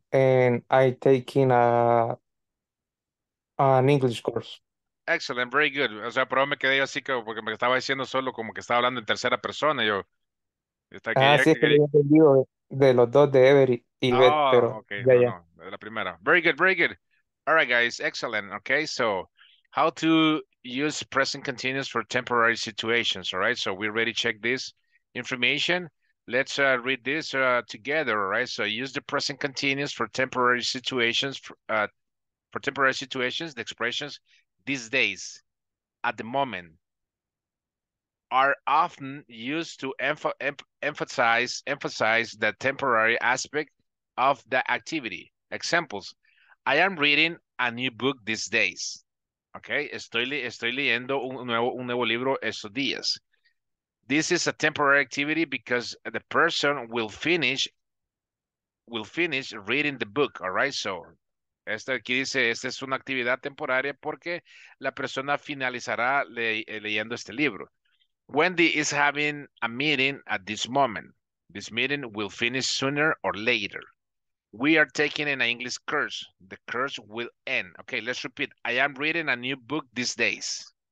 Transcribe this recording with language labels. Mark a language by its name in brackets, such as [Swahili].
[English] And I taking an English course. Excellent, very good. [Spanish] O sea, pero me quedé así como porque me estaba diciendo solo como que estaba hablando en tercera persona. Yo está aquí. Sí, de los dos de Every y Beth, pero [English] okay. [Spanish] No, la primera. [English] Very good, very good. All right, guys, excellent. Okay, so how to use present continuous for temporary situations? All right, so we already checked this information. Let's read this together, right? So use the present continuous for temporary situations. For temporary situations, the expressions these days, at the moment, are often used to emphasize the temporary aspect of the activity. Examples: I am reading a new book these days. [Spanish] Okay, estoy leyendo un nuevo libro estos días. [English] This is a temporary activity because the person will finish reading the book, all right? [Spanish] So, esto aquí dice, esta es una actividad temporaria porque la persona finalizará leyendo este libro. [English] Wendy is having a meeting at this moment. This meeting will finish sooner or later. We are taking an English course. The course will end. Okay, let's repeat. I am reading a new book these days.